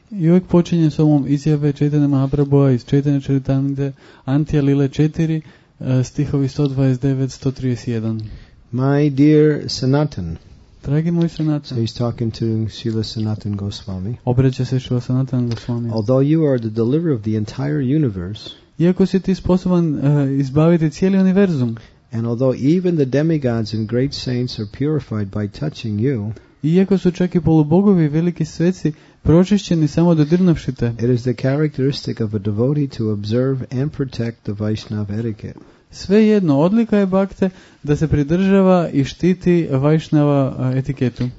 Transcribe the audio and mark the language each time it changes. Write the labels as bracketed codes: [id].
[hr] Uvijek počinje s ovom izjave Čaitanja Mahaprabhuva iz Čaitanja Čaritamrite Antija Lila 4, stihovi 129-131. [en] My dear Sanatan. [hr] Dragi moj Sanatan. [en] So he's talking to Srila Sanatan Goswami. [hr] Obraća se Srila Sanatan Goswami. [en] Although you are the deliverer of the entire universe. [hr] Iako si ti sposoban izbaviti cijeli univerzum. [en] And although even the demigods and great saints are purified by touching you. [hr] Iako su čak i polubogovi i veliki sveci pročišćeni samo dodirnuvši te. [en] It is the characteristic of a devotee to observe and protect the Vaishnava etiquette. [hr] Svejedno, odlika je bhakte da se pridržava i štiti Vaishnava etiketu.